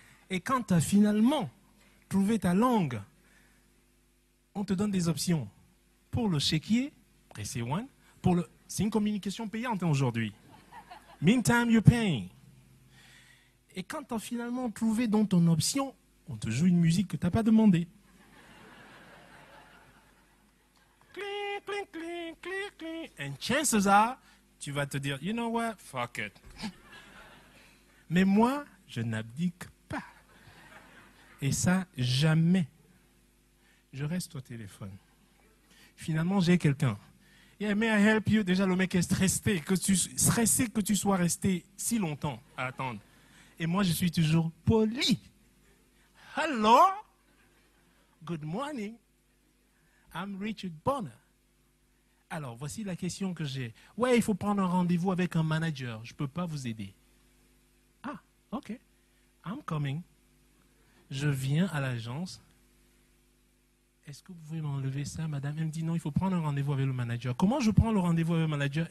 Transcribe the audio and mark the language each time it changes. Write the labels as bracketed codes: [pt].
[fr] Et quand tu as finalement trouvé ta langue, on te donne des options. Pour le chéquier, [en] press 1. [fr] Pour le... C'est une communication payante aujourd'hui. [en] Meantime, you're paying. [fr] Et quand tu as finalement trouvé dans ton option, on te joue une musique que tu n'as pas demandé. [en] Cling, cling, cling, cling, cling. And chances are, [fr] tu vas te dire, [en] you know what, fuck it. [fr] Mais moi, je n'abdique pas. Et ça, jamais. Je reste au téléphone. Finalement, j'ai quelqu'un. [en] Yeah, may I help you? [fr] Déjà, le mec est stressé. Stressé que tu sois resté si longtemps à attendre. Et moi, je suis toujours poli. [en] Hello? Good morning. I'm Richard Bonner. [fr] Alors, voici la question que j'ai. Ouais, il faut prendre un rendez-vous avec un manager. Je ne peux pas vous aider. Ah, OK. [en] I'm coming. [fr] Je viens à l'agence. Est-ce que vous pouvez m'enlever ça, madame? Elle me dit non, il faut prendre un rendez-vous avec le manager. Comment je prends le rendez-vous avec le manager?